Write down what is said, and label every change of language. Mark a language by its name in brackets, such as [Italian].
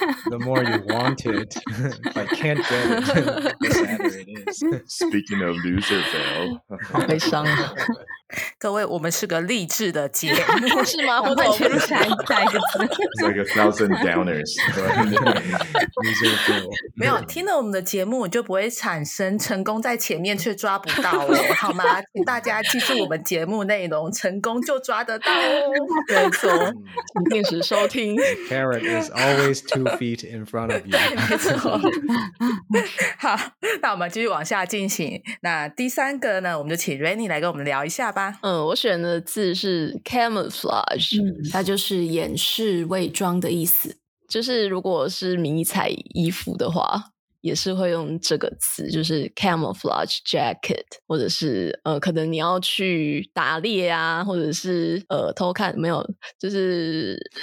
[English] The more you want it I can't get it Speaking of loser, though. [Chinese] 好悲伤啊！各位，我们是个励志的节目，是吗？我再切入下一个字。 [English] It's like a thousand downers. Loser, though. [Chinese] 没有听了我们的节目，就不会产生成功在前面却抓不到了，好吗？请大家记住我们节目内容，成功就抓得到哦。没错，请定时收听。 [English] Carrot is always 2 feet in front of you. [Chinese] 没错。好，那我们继续往下进行。那第三个呢，我们就请 Rainy 来跟我们聊一下吧。我选的字是 camouflage、嗯、它就是掩饰伪装的意思，就是如果是迷彩衣服的话也是会用这个词，就是 camouflage jacket， 或者是可能你要去打猎啊，或者是偷看，没有，就是